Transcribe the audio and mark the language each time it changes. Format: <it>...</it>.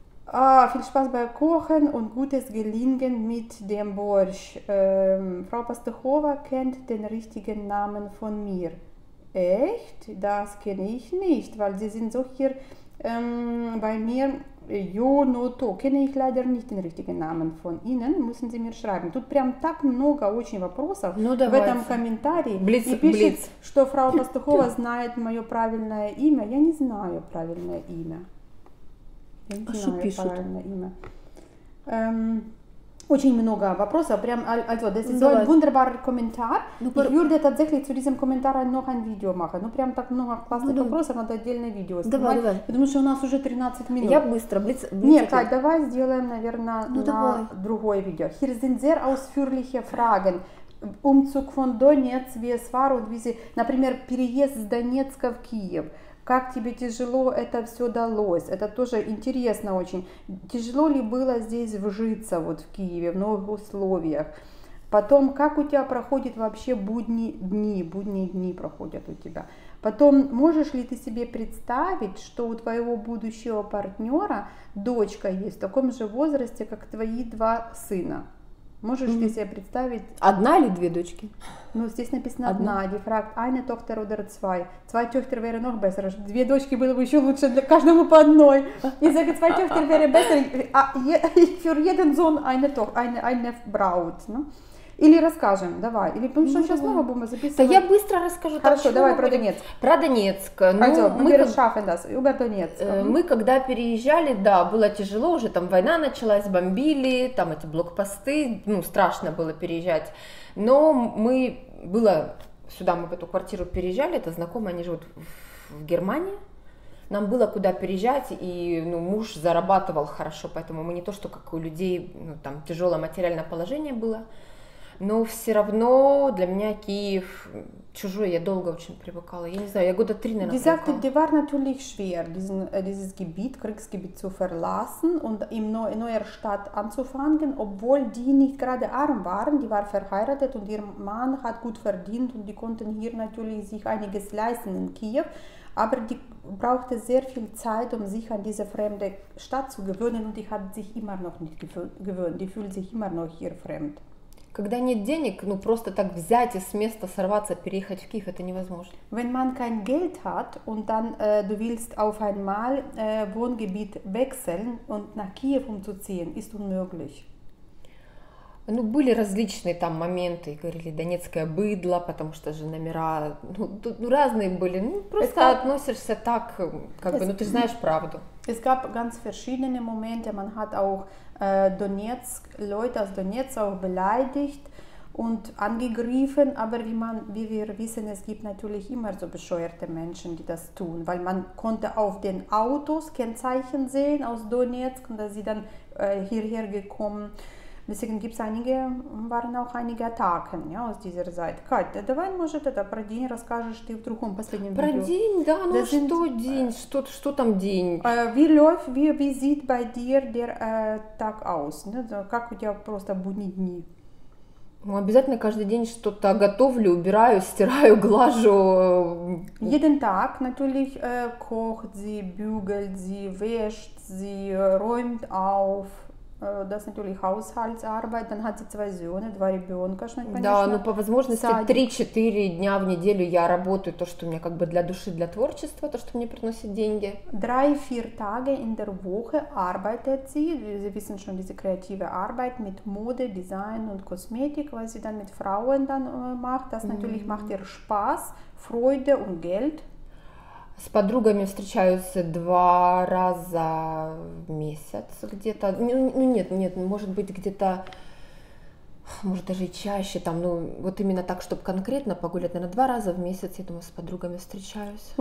<de>Viel Spaß beim Kochen und gutes Gelingen mit dem Borscht. Frau Pastuchova kennt den richtigen Namen von mir. Echt? Das kenne ich nicht, weil sie sind so hier bei mir. Йонуто, kenne ich leider nicht den richtigen Namen von Ihnen, müssen Sie mir schreiben.</de> <ru>Тут прям так много очень вопросов в этом комментарии.</ru> <de>Blitz,</de> <ru>и пишет, Blitz. Что фрау Пастухова знает мое правильное имя. Я не знаю правильное имя. Я не знаю пишут? Правильное имя. Очень много вопросов, прям,</ru> <de>also, das ist so ein wunderbarer Kommentar. Ich würde tatsächlich zu diesem Kommentar noch ein Video machen.</de> <ru>Ну, прям так много классных вопросов, надо отдельное видео снимать. Давай. Потому что у нас уже 13 минут. Я быстро, блиц. Нет, Кать, давай сделаем, наверное, на другое видео.</ru> <de>Hier sind sehr ausführliche Fragen. Umzug von Donetsk, wie es war und wie sie,</de> <ru>например, переезд с Донецка в Киев. Как тебе тяжело это все далось? Это тоже интересно очень. Тяжело ли было здесь вжиться вот в Киеве, в новых условиях? Потом, как у тебя проходят вообще будние дни проходят у тебя? Потом, можешь ли ты себе представить, что у твоего будущего партнера дочка есть в таком же возрасте, как твои два сына? Можешь ли себе представить? Одна или две дочки? Ну, здесь написано одна.</ru> <de>Die fragt eine Tochter oder zwei. Zwei Töchter wäre noch besser.</de> <ru>Две дочки было бы еще лучше для каждого по одной.</ru> <de>Ich sage, zwei Töchter wäre besser. Für jeden Sohn eine Braut. Ne?</de> <ru>Или расскажем, давай. Или потому что сейчас снова будем записывать. Да я быстро расскажу. Хорошо, давай про Донецк. Про Донецк. Мы когда переезжали, да, было тяжело, уже там война началась, бомбили, там эти блокпосты, ну, страшно было переезжать. Но мы, было, сюда мы в эту квартиру переезжали, это знакомые, они живут в Германии. Нам было куда переезжать, и ну, муж зарабатывал хорошо, поэтому мы не то, что как у людей, ну, там тяжелое материальное положение было. Но все равно для меня Киев чужой, я долго очень привыкала. Я не знаю, я года три, наверное, привыкала.</ru> <de>Die sagte, die war natürlich schwer, dieses Gebiet, Kriegsgebiet zu verlassen und in neuer Stadt anzufangen, obwohl die nicht gerade arm waren. Die war verheiratet und ihr Mann hat gut verdient und die konnten hier natürlich sich einiges leisten in Kiew. Aber die brauchte sehr viel Zeit, um sich an diese fremde Stadt zu gewöhnen und die hat sich immer noch nicht gewöhnt. Die fühlt sich immer noch hier fremd.</de> <ru>Когда нет денег, ну просто так взять и с места сорваться, переехать в Киев, это невозможно.</ru> <de>Wenn man kein Geld hat und dann du willst auf einmal Wohngebiet wechseln und nach Kiew umzuziehen, ist unmöglich.</de> <ru>Ну были различные там моменты, говорили донецкое быдло, потому что же номера, ну тут ну, разные были, ну просто относишься так, как бы, ну ты знаешь правду.</ru> <de>Es gab ganz verschiedene Momente, man hat auch Donetsk, Leute aus Donetsk auch beleidigt und angegriffen, aber wie wir wissen, es gibt natürlich immer so bescheuerte Menschen, die das tun, weil man konnte auf den Autos Kennzeichen sehen aus Donetsk und da sind sie dann hierher gekommen. Deswegen gibt es einige, waren auch einige Attacken, ja, aus dieser Seite.</de> <ru>Katja, давай, может, это про день расскажешь ты в другом последнем про видео. Про день, да, ну</ru> <de>das</de> <ru>что</ru> <de>sind,</de> <ru>день, что, что там день?</ru> <de>Wie läuft, wie sieht bei dir der Tag aus? Ne? So,</de> <ru>как у тебя просто будни дни? Ну, обязательно каждый день что-то готовлю, убираю, стираю, глажу.</ru> <de>Jeden Tag natürlich kocht sie, bügelt sie, wäscht sie, räumt auf. Das ist natürlich Haushaltsarbeit, dann hat sie zwei Söhne, zwei</de> <ru>Ребенка, да, но по возможности 3-4 дня в неделю я работаю, то, что у меня как бы для души, для творчества, то, что мне приносит деньги.</ru> <de>3-4 Tage in der Woche arbeitet sie, sie wissen schon, diese kreative Arbeit mit Mode, Design und Kosmetik, was sie dann mit Frauen dann macht, das natürlich macht ihr Spaß, Freude und Geld.</de> <ru>С подругами встречаюсь 2 раза в месяц где-то, ну нет, нет, может быть где-то, может даже чаще там, ну вот именно так, чтобы конкретно погулять, наверное, 2 раза в месяц, я думаю, с подругами встречаюсь.</ru>